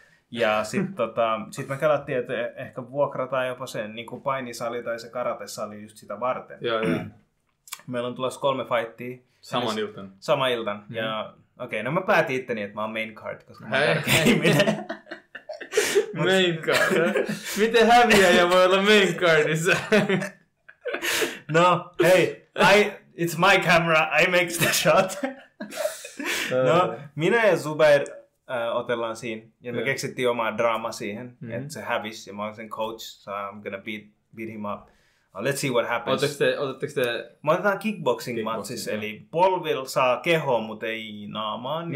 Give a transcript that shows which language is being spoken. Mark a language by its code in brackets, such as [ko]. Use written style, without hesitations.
[fi] Ja sitten me kelattiin, että ehkä vuokrataan jopa sen niin kuin painisali tai se karatesali just sitä varten. Joo, joo. Meillä on tulossa 3 fightia. Saman iltan. Sama iltan. Mm-hmm. Ja okei, no mä päätin itteni, että mä oon main card, koska mä oon tärkeimmille. Main card, miten häviäjä voi olla main cardissa? No, hei, [en] it's my camera, I make the shot. [fi] No, minä ja Zuber otellaan siinä, ja me keksittiin omaa draamaa siihen, että se hävisi, ja mä oon sen coach, [en] so I'm gonna beat him up. Let's see what happens. [fi] Otatteko te... Me otetaan kickboxing-matsissa, eli polvil saa kehoon, mutta ei naamaan.